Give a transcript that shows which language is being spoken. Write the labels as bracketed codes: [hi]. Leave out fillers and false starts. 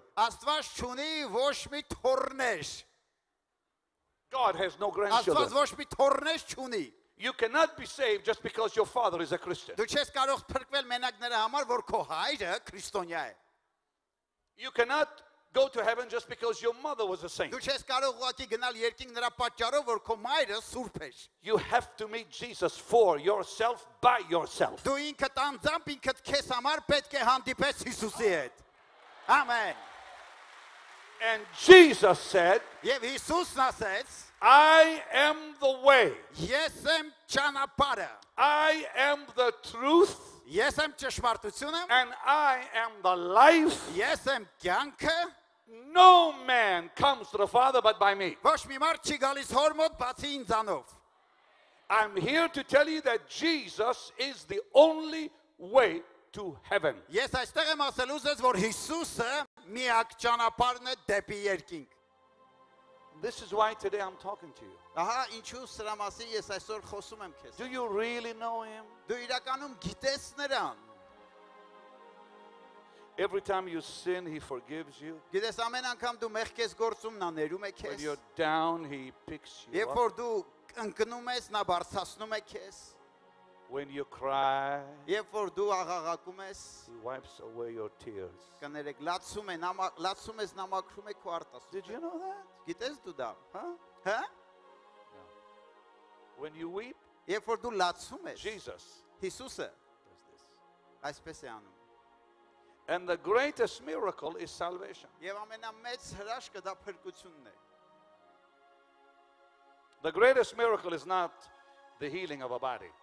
[hy] Աստված չունի ոչ մի թոռներ. [en] God has no grandchildren. [hy] Աստված ոչ մի թոռներ չունի. [en] You cannot be saved just because your father is a Christian. [hy] Դու չես կարող փրկվել մենակ նրա համար, որ քո հայրը քրիստոնյա է. [en] You cannot go to heaven just because your mother was a saint. [hy] Դու չես կարող ուղղակի գնալ երկինք նրա պատճառով, որ քո մայրը սուրբ էր. [en] You have to meet Jesus for yourself by yourself. [hy] Դու ինքդ անձամբ ինքդ քեզ համար պետք է հանդիպես Հիսուսի հետ. [en] Amen. And Jesus said, [hy] Եվ Հիսուսն ասաց, [en] I am the way. [hy] Ես եմ ճանապարհը. [en] I am the truth. [hy] Ես եմ ճշմարտությունը. [en] And I am the life. [hy] Ես եմ կյանքը. [en] No man comes to the Father but by me. [hy] Ոչ մի մարդ չի գալիս հոր մոտ բացի ինձանով. [en] I'm here to tell you that Jesus is the only way to heaven. [hy] Ես այստեղ եմ ասելու ես, որ Հիսուսը միակ ճանապարհն է դեպի երկինք. [en] This is why today I'm talking to you. [hy] Aha, ինչու սրա մասին ես այսօր խոսում եմ քեզ։ [en] Do you really know him? [hy] Դու իրականում գիտես նրան։ [en] Every time you sin, he forgives you. [hy] Գիտես ամեն անգամ դու մեղքես գործում նա ներում է քեզ։ [en] When you're down, he picks you up. [hy] Երբ որ դու ընկնում ես, նա բարձրացնում է քեզ։ [en] When you cry, [hy] երբ որ դու աղաղակում ես, [en] he wipes away your tears. [hy] Կները գլացում է, նամակում ես, նամակում է քո արտասուքը։ [en] Did you know that? [hy] Գիտես դու դա, հա? Հա? [en] When you weep, [hy] երբ որ դու լացում ես, [en] Jesus, [hy] Հիսուսը, այսպես է անում. [en] And the greatest miracle is salvation. [hy] Եվ ամենամեծ հրաշքը դա փրկությունն է. [en] The greatest miracle is not the healing of a body.